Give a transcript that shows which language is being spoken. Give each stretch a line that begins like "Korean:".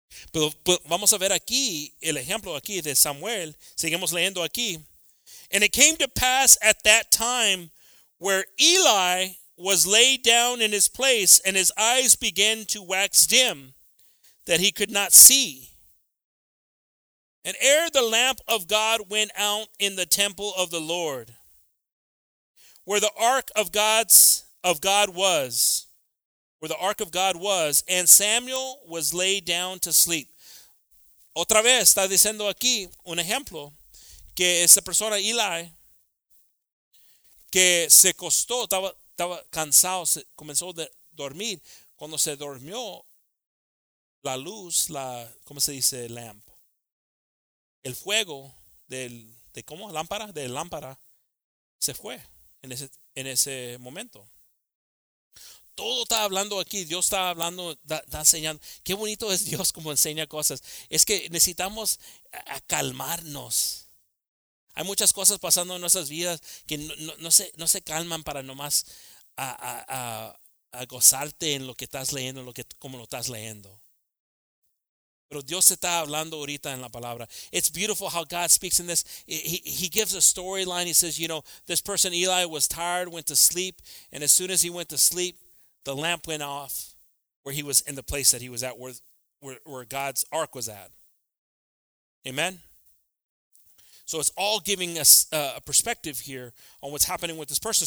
Spanish: Pero vamos a ver aquí el ejemplo aquí de Samuel. Seguimos leyendo aquí.
English: And it came to pass at that time where Eli was laid down in his place and his eyes began to wax dim that he could not see. And ere the lamp of God went out in the temple of the Lord, where the ark of God was, and Samuel was laid down to sleep.
Spanish: Otra vez está diciendo aquí un ejemplo que esa persona Eli que se acostó, estaba cansado, comenzó a dormir. Cuando se durmió, la luz, lamp. El fuego de lámpara se fue en ese momento. Todo está hablando aquí. Dios está hablando, está enseñando. Qué bonito es Dios como enseña cosas. Es que necesitamos calmarnos. Hay muchas cosas pasando en nuestras vidas que no se calman para nomás a gozarte en lo que estás leyendo, como lo estás leyendo. Pero Dios está hablando ahorita en la palabra.
English: It's beautiful how God speaks in this. He gives a storyline. He says, you know, this person, Eli, was tired, went to sleep. And as soon as he went to sleep, the lamp went off where he was in the place that he was at, where God's ark was at. Amen? So it's all giving us a perspective here on what's happening with this person.